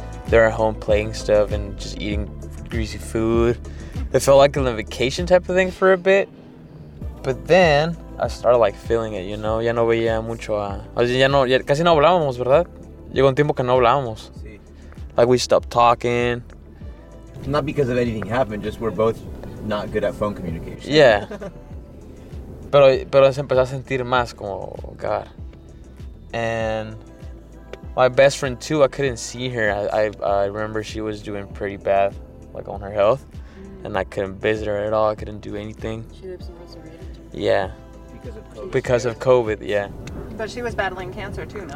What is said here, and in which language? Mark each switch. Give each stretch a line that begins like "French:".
English: At home playing stuff and just eating greasy food. It felt like a vacation type of thing for a bit, but then I started like feeling it, you know.
Spanish: Ya no veía mucho a, o sea, ya no, ya, casi no hablábamos, ¿verdad? Llegó un tiempo que no hablábamos. Sí.
English: Like we stopped talking. Not because of anything happened, just we're both not good at phone communication. Yeah.
Spanish: pero se empezó a sentir más como, God.
English: And my best friend too, I couldn't see her. I remember she was doing pretty bad, like on her health, and I couldn't visit her at all. I couldn't do anything. She lives in Rosarito. Yeah. Because of COVID. Because of COVID, yeah. But she was battling cancer too, no?